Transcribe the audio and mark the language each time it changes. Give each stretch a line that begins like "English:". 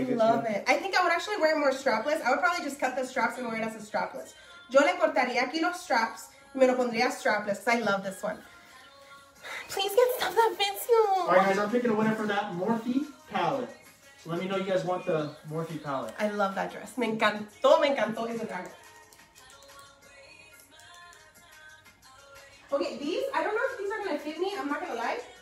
English: get you. I love it. I think I would actually wear more strapless. I would probably just cut the straps and wear it as a strapless.
Spanish: Yo le cortaría aquí los straps y me lo pondría strapless.
English: I love this one. Please get stuff that fits you. All right, guys, I'm picking a winner for that Morphe palette. So let me know you guys want the Morphe palette. I love that dress.
Spanish: Me encantó ese drag.
English: Okay, these, I don't know if these are going to fit me. I'm not going to lie.